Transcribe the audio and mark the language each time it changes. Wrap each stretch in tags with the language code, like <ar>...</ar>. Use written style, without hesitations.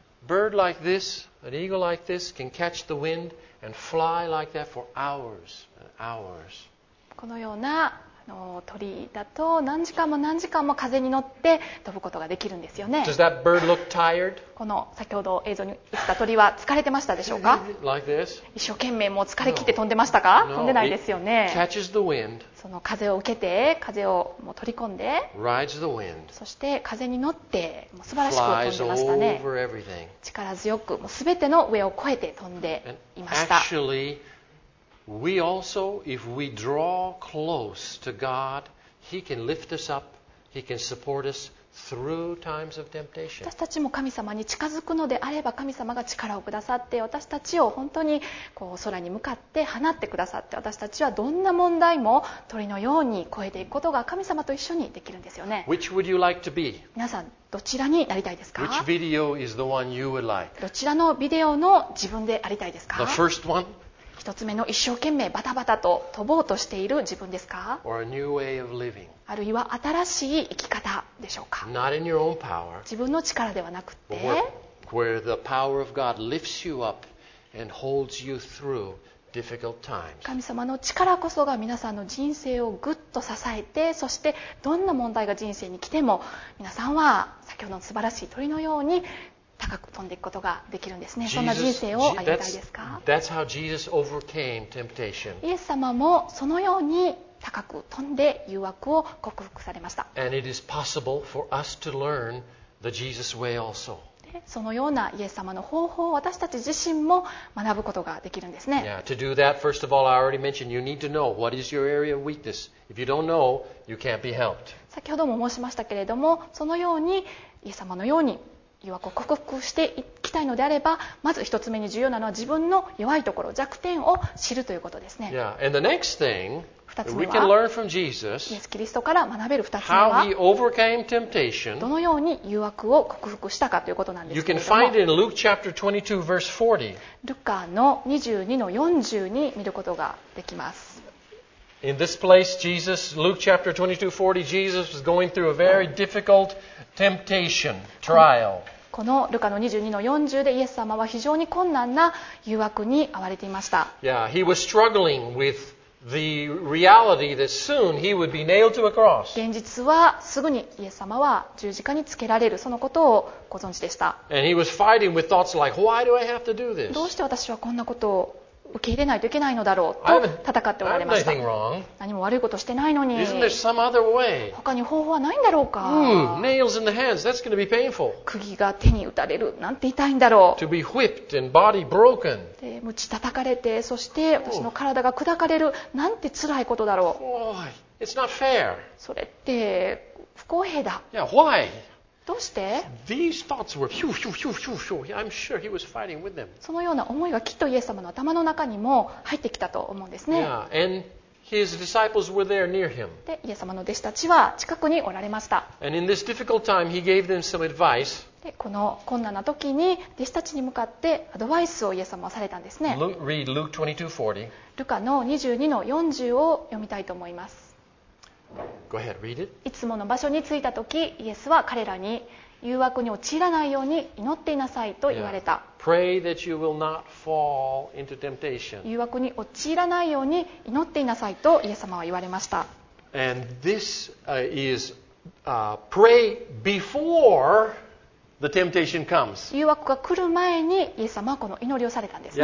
<en>Like this, an eagle like this can catch the wind and fly like that for hours and hours.</en> <ja>このような鳥だと何時間も何時間も風に乗って飛ぶことができるんですよね。</ja> <en>Does that bird look tired?</en> <ja>この先ほど映像に映った鳥は疲れてましたでしょうか?</ja> <en>Like this?</en> <ja>一生懸命もう疲れ切って飛んでましたか?</ja> <en>No.</en> <ja>飛んでないですよね。</ja> <en>It catches the wind.</en> <ja>その風を受けて風をもう取り込んで。</ja> <en>Rides the wind.</en> <ja>そして風に乗ってもう素晴らしく飛んでましたね。</ja> <en>Flies over everything.</en> <ja>力強くもう全ての上を越えて飛んでいました。</ja> <en>And actually,We also, if we draw close to God, He can lift us up. He can support us through times of temptation.</en> <ja>私たちも神様に近づくのであれば、神様が力をくださって、私たちを本当にこう空に向かって放ってくださって、私たちはどんな問題も鳥のように越えていくことが神様と一緒にできるんですよね。</ja> <en>Which would you like to be?</en> <ja>皆さん、どちらになりたいですか?</ja> <en>Which video is the one you would like?</en> <ja>どちらのビデオの自分でありたいですか?</ja> <en>The first one?</en> <ja>一つ目の一生懸命バタバタと飛ぼうとしている自分ですか?</ja> <en>Or a new way of living.</en> <ja>あるいは新しい生き方でしょうか?</ja> <en>Not in your own power.</en> <ja>自分の力ではなくて、</ja> <en>where the power of God lifts you up and holds you through difficult times.</en> <ja>神様の力こそが皆さんの人生をぐっと支えて、そしてどんな問題が人生に来ても、皆さんは先ほどの素晴らしい鳥のように、高く飛んでいくことができるんですね。そんな人生を歩みたいですか?</ja> <en>That's how Jesus overcame temptation.</en> <ja>イエス様もそのように高く飛んで誘惑を克服されました。</ja> <en>And it is possible for us to learn the Jesus way also.</en> <ja>そのようなイエス様の方法を私たち自身も学ぶことができるんですね。</ja> <en>Yeah, to do that, first of all, I already mentioned you need to know what is your area of weakness. If you don't know, you can't be helped.</en> <ja>先ほども申しましたけれども、そのようにイエス様のように誘惑を克服していきたいのであれば、まず一つ目に重要なのは自分の弱いところ、弱点を知るということですね。</ja> <en>Yeah. And the next thing,</en> <ja>二つ目は、</ja> <en>we can learn from Jesus,</en> <ja>イエス・キリストから学べる二つ目は、</ja> <en>how he overcame temptation,</en> <ja>どのように誘惑を克服したかということなんですけれども、</ja> <en>you can find it in Luke chapter 22, verse 40.</en> <ja>ルカの22の40に見ることができます。</ja> <en>In this place, Jesus, Luke chapter 22:40, Jesus was going through a very difficult temptation, trial.</en> <ja>このルカの22の40でイエス様は非常に困難な誘惑に遭われていました。</ja> <en>Yeah, he was struggling with the reality that soon he would be nailed to a cross.</en> <ja>現実はすぐにイエス様は十字架につけられる、そのことをご存知でした。</ja> <en>And he was fighting with thoughts like, why do I have to do this?</en> <ja>どうして私はこんなことを受け入れないといけないのだろうと戦っておられました。</ja> <en>nothing wrong.</en> <ja>何も悪いことしてないのに。</ja> <en>Isn't there some other way?</en> <ja>他に方法はないんだろうか。</ja> <en>Nails in the hands, that's going to be painful.</en> <ja>釘が手に打たれる、なんて痛いんだろう。</ja> <en>To be whipped and body broken.</en> <ja>で、鞭叩かれて、そして私の体が砕かれる、なんて辛いことだろう。</ja> <en>Why? It's not fair.</en> <ja>それって不公平だ。</ja> <en>Yeah, why?</en> <ja>どうして?</ja> <en>These thoughts were phew, phew, phew, phew, phew. I'm sure he was fighting with them.</en> <ja>そのような思いがきっとイエス様の頭の中にも入ってきたと思うんですね。</ja> <en>Yeah, and his disciples were there near him.</en> <ja>で、イエス様の弟子たちは近くにおられました。</ja> <en>And in this difficult time, he gave them some advice.</en> <ja>で、この困難な時に弟子たちに向かってアドバイスをイエス様はされたんですね。</ja> <en>Read Luke 22:40.</en> <ja>ルカの 22-40 を読みたいと思います。</ja> <en>Go ahead, read it.</en> <ja>いつもの場所に着いたとき、イエスは彼らに誘惑に陥らないように祈っていなさいと言われた。</ja> <en>Yeah. Pray that you will not fall into temptation.</en> <ja>誘惑に陥らないように祈っていなさいとイエス様は言われました。</ja> <en>And this is pray before the temptation comes.</en> <ja>誘惑が来る前にイエス様はこの祈りをされたんですね。</ja>